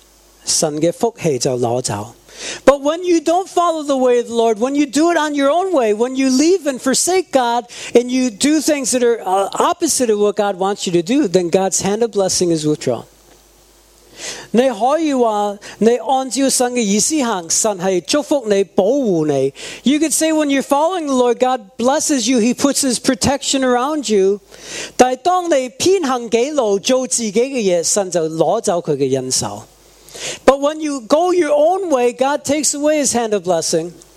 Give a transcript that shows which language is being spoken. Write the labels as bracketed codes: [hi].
[zh] 但当你不按照神的意思行,按照自己的意思行,按照自己的方法做人,你远离神,神的福气就拿走。 [en] But when you don't follow the way of the Lord, when you do it on your own way, when you leave and forsake God, and you do things that are opposite of what God wants you to do, then God's hand of blessing is withdrawn. [zh] 你可以说,你按照神的意思行,神是祝福你,保护你。 [en] You could say when you're following the Lord, God blesses you, He puts His protection around you. [zh] 但当你偏行己路,做自己的事,神就拿走祂的恩手。 [en] But when you go your own way, God takes away His hand of blessing.